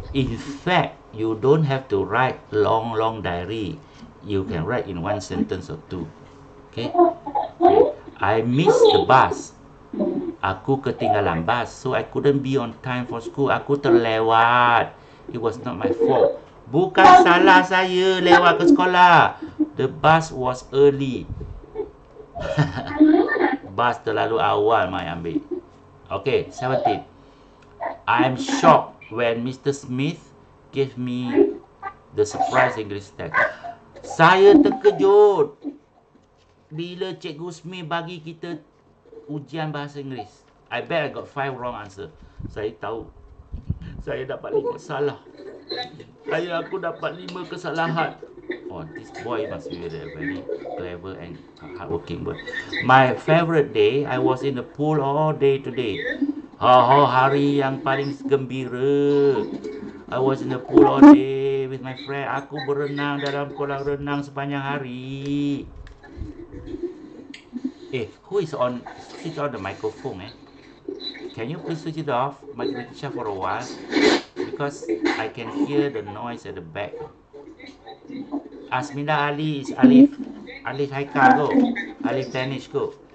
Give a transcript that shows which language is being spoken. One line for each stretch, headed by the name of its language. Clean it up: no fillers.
English: In fact, you don't have to write long diary. You can write in one sentence or two. Okay. I miss the bus.
Malay: Aku ketinggalan bus.
English: So, I couldn't be on time for school.
Malay: Aku terlewat.
English: It was not my fault.
Malay: Bukan salah saya lewat ke sekolah.
English: The bus was early.
Malay: Bus terlalu awal, Mai ambil. Okay, 17.
English: I'm shocked when Mr. Smith gave me the surprise English test.
Malay: Saya terkejut bila Cikgu Smi bagi kita ujian bahasa Inggeris.
English: I bet I got 5 wrong answer.
Malay: Saya tahu. Saya dapat 5 salah. Saya aku dapat 5 kesalahan.
English: Oh, this boy must be very, very clever and hardworking. But my favorite day, I was in the pool all day today. Oh,
Malay: hari yang paling gembira.
English: I was in the pool all day with my friend.
Malay: Aku berenang dalam kolam renang sepanjang hari.
English: Eh, who is on? Switch on the microphone, eh? Can you please switch it off, my teacher, for a while? Because I can hear the noise at the back. Asmina Ali is Alif. Alif Haika go. Alif Danish go.